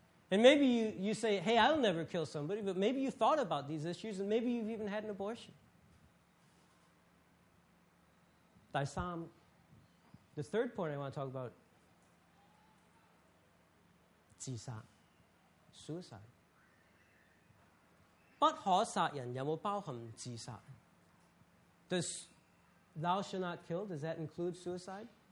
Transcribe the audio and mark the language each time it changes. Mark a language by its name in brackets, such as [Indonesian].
[English] And maybe you say, hey, I'll never kill somebody, but maybe you thought about these issues, and maybe you've even had an abortion. The third point I want to talk about, 自殺, suicide. [Chinese] 不可殺人有沒有包含自殺? [English] Does thou shall not kill, does that include suicide?